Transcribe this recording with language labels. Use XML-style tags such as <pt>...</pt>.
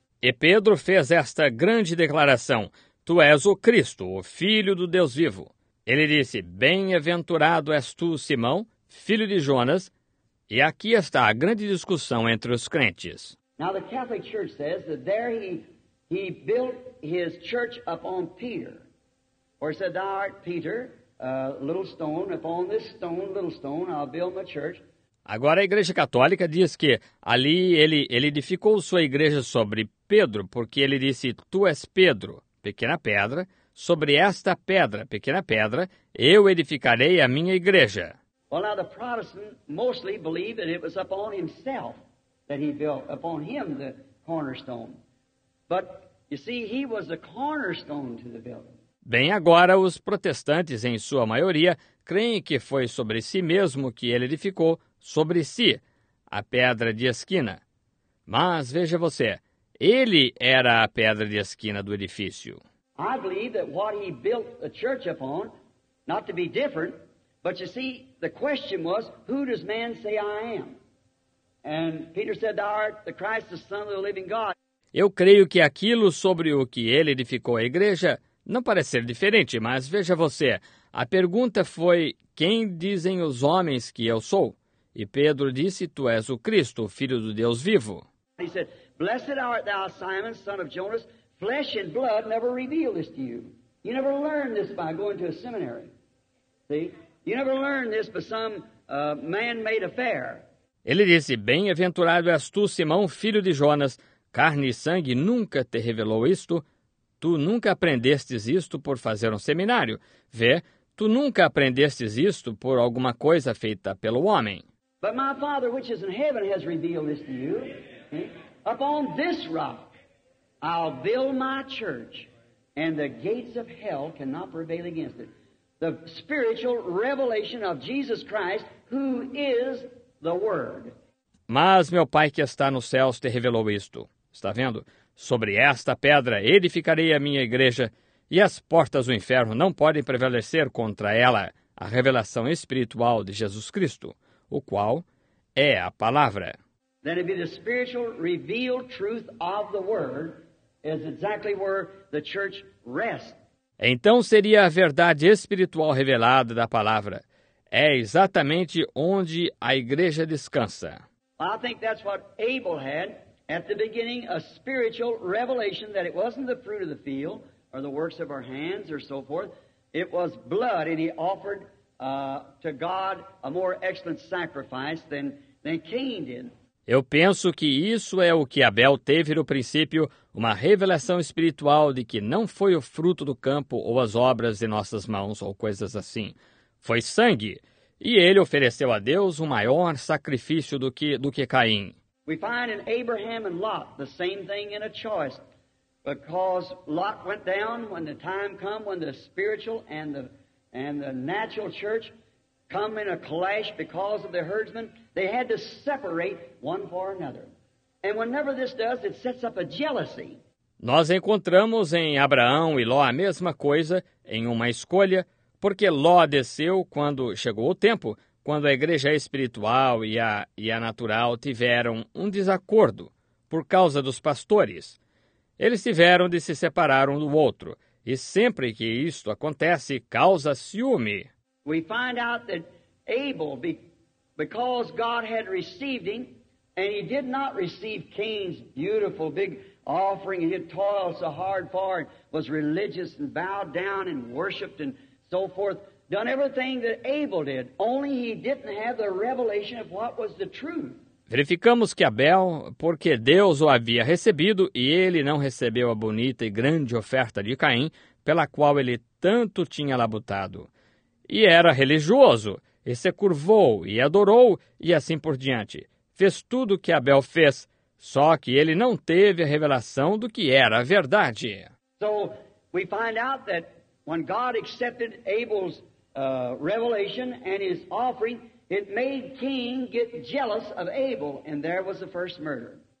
<pt>E Pedro fez esta grande declaração. Tu és o Cristo, o Filho do Deus vivo. Ele disse, bem-aventurado és tu, Simão, filho de Jonas. E aqui está a grande discussão entre os crentes.</pt> <en>Now the Catholic Church says that there he built his church upon Peter, or said, thou art Peter, little stone, upon this stone, little stone, I'll build my church.</en> <pt>Agora a Igreja Católica diz que ali ele edificou sua igreja sobre Pedro, porque ele disse, tu és Pedro, pequena pedra, sobre esta pedra, pequena pedra, eu edificarei a minha igreja.</pt> <en>Well, now the Protestant mostly believe that it was upon himself that he built, upon him the cornerstone. But you see, he was the cornerstone to the building.</en> <pt>Bem, agora os protestantes, em sua maioria, creem que foi sobre si mesmo que ele edificou, sobre si, a pedra de esquina. Mas veja você, ele era a pedra de esquina do edifício.</pt> <en>I believe that what he built the church upon, not to be different, but you see, the question was, who does man say I am? And Peter said, thou art the Christ, the Son of the living God.</en> <pt>Eu creio que aquilo sobre o que ele edificou a igreja não parece ser diferente, mas veja você, a pergunta foi, quem dizem os homens que eu sou? E Pedro disse, tu és o Cristo, o Filho do Deus vivo.</pt> <en>He said, blessed art thou, Simon, son of Jonas, flesh and blood never revealed this to you. You never learned this by going to a seminary. See? You never learn this by some man-made affair.</en> <pt>Ele disse: Bem-aventurado és tu, Simão, filho de Jonas. Carne e sangue nunca te revelou isto. Tu nunca aprendestes isto por fazer um seminário. Vê, tu nunca aprendestes isto por alguma coisa feita pelo homem.</pt> <en>But my Father, which is in heaven, has revealed this to you. Upon this rock, I'll build my church, and the gates of hell cannot prevail against it. The spiritual revelation of Jesus Christ, who is the Word.</en> <pt>Mas meu Pai que está nos céus te revelou isto. Está vendo? Sobre esta pedra edificarei a minha igreja, e as portas do inferno não podem prevalecer contra ela. A revelação espiritual de Jesus Cristo, o qual é a palavra.</pt> <en>Then it be the spiritual revealed truth of the Word is exactly where the church rests.</en> <pt>Então seria a verdade espiritual revelada da palavra. É exatamente onde a igreja descansa.</pt> <en>I think that's what Abel had at the beginning, a spiritual revelation that it wasn't the fruit of the field or the works of our hands or so forth. It was blood, and he offered to God a more excellent sacrifice than Cain did.</en> <pt>Eu penso que isso é o que Abel teve no princípio, uma revelação espiritual de que não foi o fruto do campo ou as obras de nossas mãos ou coisas assim. Foi sangue. E ele ofereceu a Deus um maior sacrifício do que Caim.</pt> <en>We find in Abraham and Lot the same thing in a choice, because Lot went down when the time come when the spiritual and the natural church come in a clash because of the herdsmen. They had to separate one for another. And whenever this does, it sets up a jealousy.</en> <pt>Nós encontramos em Abraão e Ló a mesma coisa, em uma escolha, porque Ló desceu quando chegou o tempo, quando a igreja espiritual e a natural tiveram um desacordo por causa dos pastores. Eles tiveram de se separar um do outro. E sempre que isto acontece, causa ciúme.</pt> <en>We find out that Abel, because God had received him, and he did not receive Cain's beautiful big offering, and he had toiled so hard for it, was religious and bowed down and worshipped and so forth, done everything that Abel did, only he didn't have the revelation of what was the truth.</en> <pt>Verificamos que Abel, porque Deus o havia recebido, e ele não recebeu a bonita e grande oferta de Caim, pela qual ele tanto tinha labutado. E era religioso, e se curvou, e adorou, e assim por diante. Fez tudo o que Abel fez, só que ele não teve a revelação do que era a verdade.</pt> <en>So, we find out that when God accepted Abel's revelation and his offering, it made Cain get jealous of Abel, and there was the first murder.</en>